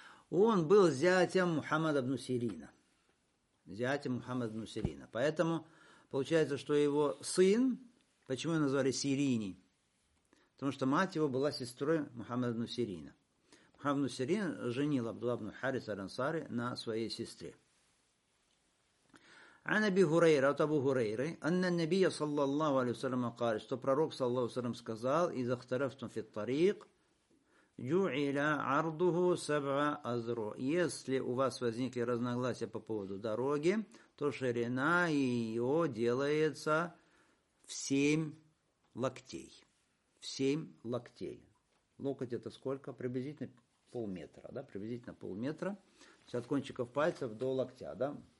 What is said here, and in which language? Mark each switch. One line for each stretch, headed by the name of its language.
Russian: Он был зятем Мухаммада ибн Сирина. Зятем Мухаммада ибн Сирина. Поэтому получается, что его сын, почему его назвали Сирини? Потому что мать его была сестрой Мухаммада ибн Сирина. Мухаммад ибн Сирин женил Абдулла ибн Аль-Харис, Аль-Ансари на своей сестре.
Arabic: عن أبي هريرة أبو هريرة أن النبي صلى الله عليه وسلم قال
Russian: что пророк
Arabic: صلى الله عليه وسلم
Russian: сказал
Arabic: إذا اختلفتم في الطريق جعل عرضه سبع أذرع.
Russian: Если у вас возникли разногласия по поводу дороги, то ширина ее делается в 7 локтей. В 7 локтей. Локоть это сколько? Приблизительно полметра, да? Приблизительно полметра. То есть от кончиков пальцев до локтя, да?